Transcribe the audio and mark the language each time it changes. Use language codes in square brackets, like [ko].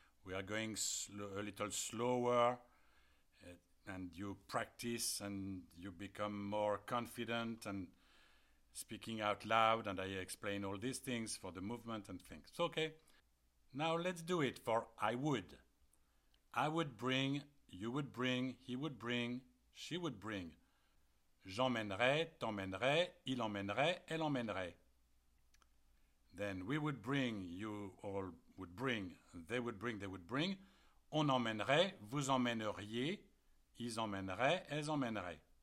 [en] We are going a little slower and you practice and you become more confident and speaking out loud, and I explain all these things for the movement and things. Okay, now let's do it for I would. I would bring, you would bring, he would bring, she would bring. [fr] J'emmènerai, t'emmènerai, il emmènerait, elle emmènerait. [en] Then we would bring, you all would bring, they would bring, they would bring. [fr] On emmènerait, vous emmèneriez, ils emmèneraient, elles emmèneraient.